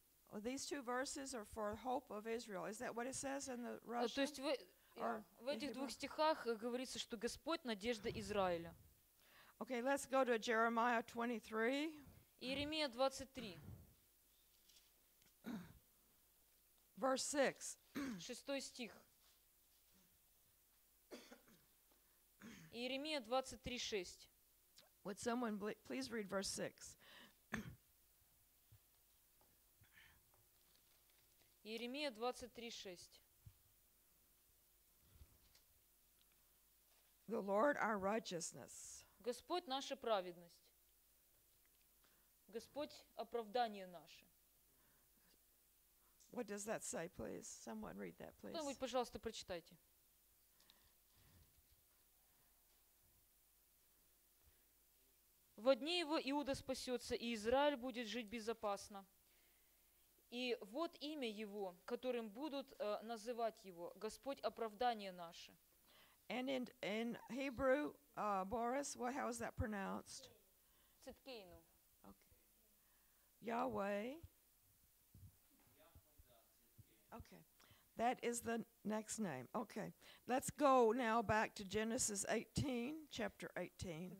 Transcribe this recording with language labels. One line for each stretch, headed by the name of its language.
English: Well, these two verses are for hope of Israel. Is that what it says in the Russian?
Russian: То есть в этих двух стихах говорится, что Господь надежда Израиля.
English: Okay, let's go to Jeremiah 23.
Russian: Иеремия 23.
English: Verse 6.
Russian: Шестой стих. Иеремия 23:6.
English: Would someone please read verse 6?
Russian: Иеремия 23:6.
English: The Lord our righteousness.
Russian: Господь наша праведность. Господь оправдание наше.
English: What does that say, please? Someone read that, please.
Russian: Кто-нибудь, пожалуйста, прочитайте. В дни его Иуда спасется, и Израиль будет жить безопасно. И вот имя его, которым будут называть его, Господь оправдание наше.
English: And in Hebrew, Boris, what, how is that pronounced?
Russian: Циткейну.
English: Okay. Yahweh. Okay. That is the next name. Okay. Let's go now back to Genesis 18, chapter 18.